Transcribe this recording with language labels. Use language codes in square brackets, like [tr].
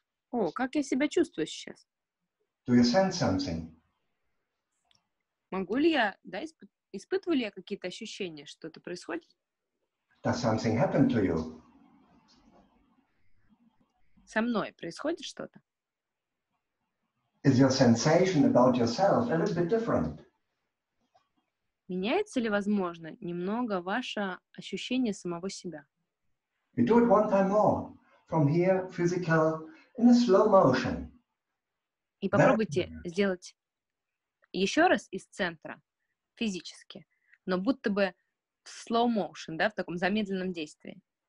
[ru] О, как я себя чувствую сейчас? [en] Do you sense something? [ru] Могу ли я, да, испытываю ли я какие-то ощущения, что-то происходит? [en] Does something happen to you? [ru] Со мной происходит что-то? [en] Is your sensation about yourself a little bit different? [ru] Меняется ли, возможно, немного ваше ощущение самого себя? [en] We do it one time more. From here, physical, in a slow motion. [ru] И попробуйте сделать еще раз из центра, физически, но будто бы в slow motion, да, в таком замедленном действии.